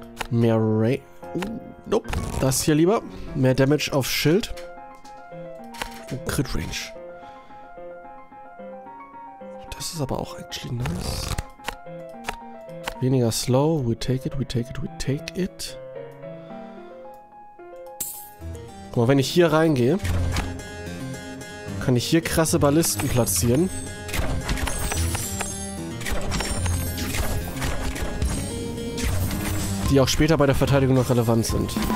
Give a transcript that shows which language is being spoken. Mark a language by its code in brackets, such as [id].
[de] Mehr Ray. Nope. Das hier lieber. Mehr Damage auf Schild. Und Crit Range. Das ist aber auch actually nice. Weniger slow. [en] We take it, we take it, we take it. [de] Guck mal, wenn ich hier reingehe, kann ich hier krasse Ballisten platzieren. Die auch später bei der Verteidigung noch relevant sind.